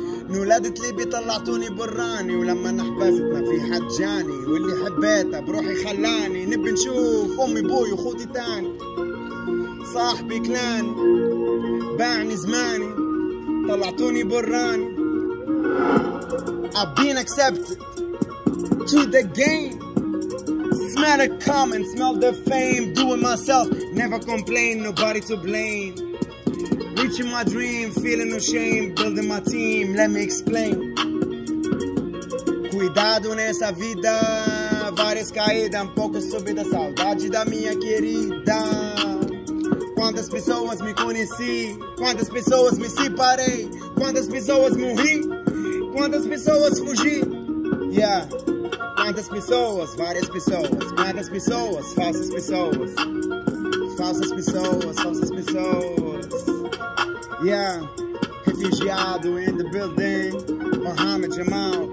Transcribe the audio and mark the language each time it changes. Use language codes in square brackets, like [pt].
[ar] نولدت لي بطلعتوني براني ولما نحبست ما في حد جاني واللي حبيته بروحي خلاني نبي نشوف امي بوي وخوتي تاني صاحبي كلاني باعني زماني طلعتوني براني [en] I've been accepted to the game. Smell it coming, smell the fame. Doing myself, never complain, nobody to blame. Reaching my dream, feeling no shame. Building my team, let me explain. [pt] Cuidado nessa vida, várias caídas, poucas subidas. Saudade da minha querida. Quantas pessoas me conheci, quantas pessoas me separei. Quantas pessoas morri, quantas pessoas fugi. Yeah. Quantas pessoas, várias pessoas. Quantas pessoas, falsas pessoas. Falsas pessoas, falsas pessoas. [en] Yeah, [pt] refugiado [en] in the building, Mohammed Jamal.